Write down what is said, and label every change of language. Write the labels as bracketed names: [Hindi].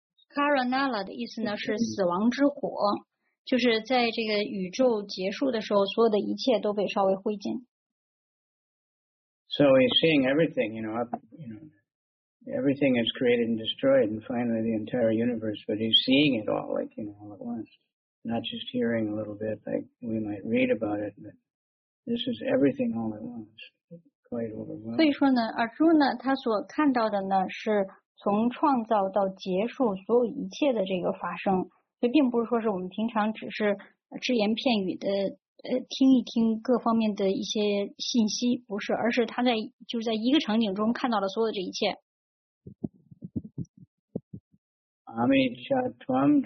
[Chinese] Karanala 的意思呢 是死亡之火 就是在这个宇宙结束的时候 所有的一切都被烧为灰烬 [English] So he's seeing everything you know, everything is created and destroyed and finally the entire universe but he's seeing it all like you know all at once not just hearing a little bit like we might read about it but this is everything all at once quite overwhelming [Chinese] 所以说呢 Arjuna 他所看到的呢 是 从创造到结束所有一切的这个发生，所以并不是说是我们平常只是只言片语的听一听各方面的一些信息，不是，而是他在就是在一个场景中看到了所有的这一切。 [Sanskrit] Amit chatvam